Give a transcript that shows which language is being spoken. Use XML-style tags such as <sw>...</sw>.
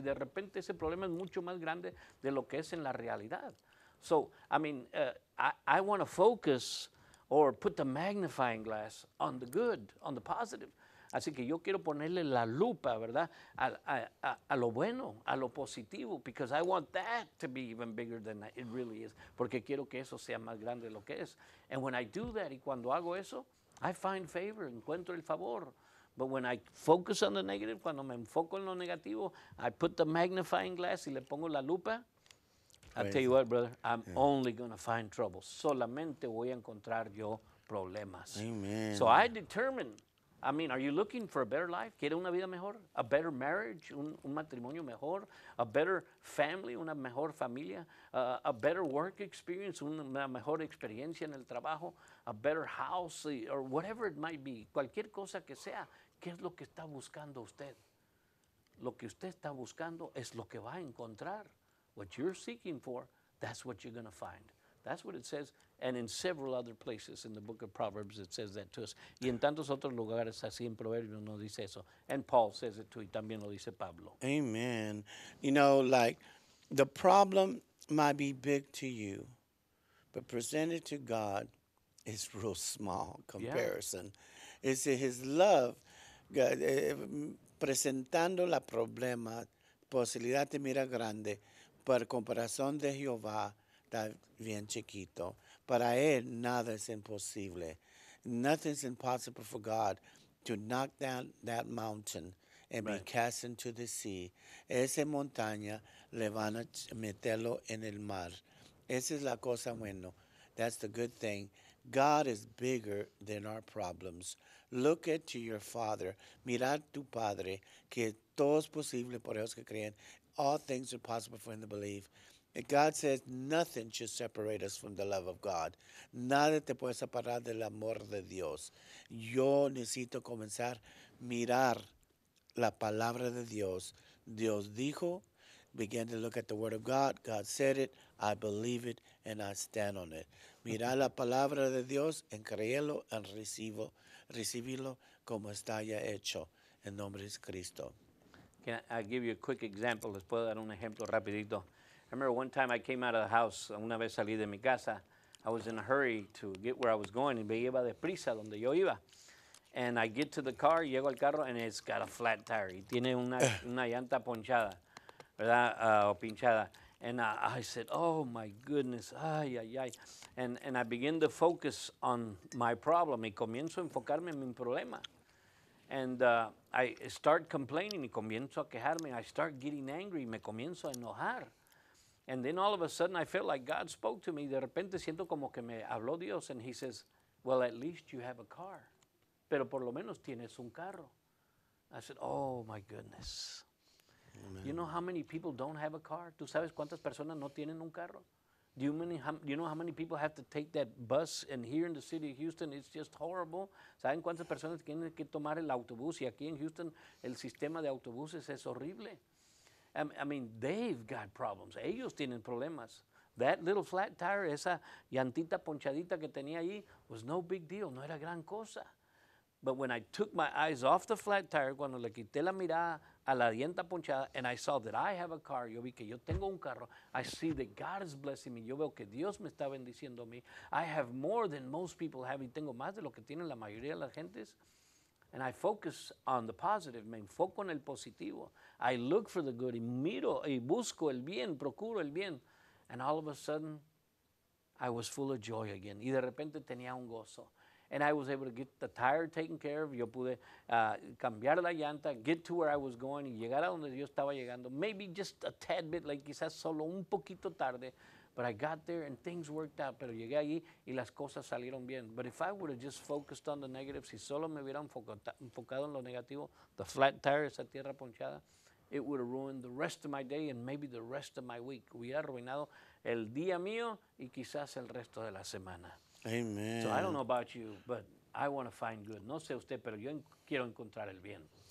<es>Y de repente ese problema es mucho más grande de lo que es en la realidad.</es> <en>So, I mean, I want to focus or put the magnifying glass on the good, on the positive.</en> <es>Así que yo quiero ponerle la lupa, ¿verdad? A lo bueno, a lo positivo,</es> <en>because I want that to be even bigger than it really is,</en> <es>porque quiero que eso sea más grande de lo que es.</es> <en>And when I do that,</en> <es>y cuando hago eso,</es> <en>I find favor,</en> <es>encuentro el favor.</es> <en>But when I focus on the negative,</en> <es>cuando me enfoco en lo negativo,</es> <en>I put the magnifying glass</en> <es>y le pongo la lupa,</es> <en>I tell you what, brother, I'm only going to find trouble.</en> <es>Solamente voy a encontrar yo problemas.</es> <en>Amen. So I determine. I mean, are you looking for a better life?</en> <es>¿Quiere una vida mejor?</es> <en>A better marriage?</en> <es>Un matrimonio mejor?</es> <en>A better family?</en> <es>Una mejor familia?</es> <en>A better work experience?</en> <es>Una mejor experiencia en el trabajo?</es> <en>A better house? Or whatever it might be.</en> <es>Cualquier cosa que sea. ¿Qué es lo que está buscando usted? Lo que usted está buscando es lo que va a encontrar.</es> <en>What you're seeking for, that's what you're going to find. That's what it says. And in several other places in the book of Proverbs, it says that to us.</en> <es>Y en tantos otros lugares, así en Proverbios, nos dice eso.</es> <en>And Paul says it too.</en> <es>Y también lo dice Pablo.</es> <en>Amen. You know, like, the problem might be big to you, but presented to God, it's real small comparison. Yeah. It's his love.</en> <es>God, presentando la problema, posibilidad te mira grande, por comparación de Jehová, está bien chiquito. Para él, nada es imposible.</es> <en>Nothing's impossible for God to knock down that mountain and be cast into the sea.</en> <es>Esa montaña le van a meterlo en el mar. Esa es la cosa buena.</es> <en>That's the good thing. God is bigger than our problems. Look at to your father.</en> <es>Mirar tu padre, que todo es posible por ellos que creen.</es> <en>All things are possible for him to believe. God says nothing should separate us from the love of God.</en> <es>Nada te puede separar del amor de Dios. Yo necesito comenzar a mirar la palabra de Dios. Dios dijo,</es> <en>began to look at the word of God. God said it, I believe it, and I stand on it.</en> <es>Mira la palabra de Dios, en creerlo, en recibirlo como está ya hecho. En nombre de Cristo.</es> <en>Can I give you a quick example?</en> <es>Les puedo dar un ejemplo rapidito.</es> <en>I remember one time I came out of the house,</en> <es>una vez salí de mi casa,</es> <en>I was in a hurry to get where I was going,</en> <es>y me iba de prisa donde yo iba.</es> <en>And I get to the car,</en> <es>llego al carro,</es> <en>and it's got a flat tire.</en> <es>Y tiene una llanta ponchada, ¿verdad? O pinchada.</es> <en>And I said, oh my goodness, ay, ay, ay. And I begin to focus on my problem.</en> <es>Y comienzo a enfocarme en mi problema.</es> <en>And I start complaining,</en> <es>y comienzo a quejarme.</es> <en>I start getting angry,</en> <es>me comienzo a enojar.</es> <en>And then all of a sudden, I felt like God spoke to me.</en> <es>De repente, siento como que me habló Dios.</es> <en>And he says, well, at least you have a car.</en> <es>Pero por lo menos tienes un carro.</es> <en>I said, oh, my goodness. Amen. You know how many people don't have a car?</en> <es>¿Tú sabes cuántas personas no tienen un carro?</es> <en>Do you know how many people have to take that bus? And here in the city of Houston, it's just horrible.</en> <es>¿Saben cuántas personas tienen que tomar el autobús? Y aquí en Houston, el sistema de autobuses es horrible.</es> <en>I mean, they've got problems.</en> <es>Ellos tienen problemas.</es> <en>That little flat tire,</en> <es>esa llantita ponchadita que tenía ahí,</es> <en>was no big deal.</en> <es>No era gran cosa.</es> <en>But when I took my eyes off the flat tire,</en> <es>cuando le quité la mirada a la llanta ponchada,</es> <en>and I saw that I have a car,</en> <es>yo vi que yo tengo un carro.</es> <en>I see that God is blessing me.</en> <es>Yo veo que Dios me está bendiciendo a mí.</es> <en>I have more than most people have,</en> <es>y tengo más de lo que tienen la mayoría de las gentes.</es> <en>And I focus on the positive,</en> <es>me enfoco en el positivo.</es> <en>I look for the good,</en> <es>y miro, y busco el bien, procuro el bien.</es> <en>And all of a sudden, I was full of joy again.</en> <es>Y de repente tenía un gozo.</es> <en>And I was able to get the tire taken care of.</en> <es>Yo pude cambiar la llanta,</es> <en>get to where I was going,</en> <es>y llegar a donde yo estaba llegando.</es> <en>Maybe just a tad bit, like</en> <es>quizás solo un poquito tarde.</es> <en>But I got there and things worked out.</en> <es>Pero llegué allí y las cosas salieron bien.</es> <en>But if I would have just focused on the negative,</en> <es>si solo me hubiera enfocado en lo negativo,</es> <en>the flat tire,</en> <es>esa tierra ponchada,</es> <en>it would have ruined the rest of my day and maybe the rest of my week.</en> <es>Hubiera arruinado el día mío y quizás el resto de la semana. Amen.</es> <en>So I don't know about you, but I want to find good.</en> <es>No sé usted, pero yo quiero encontrar el bien.</es>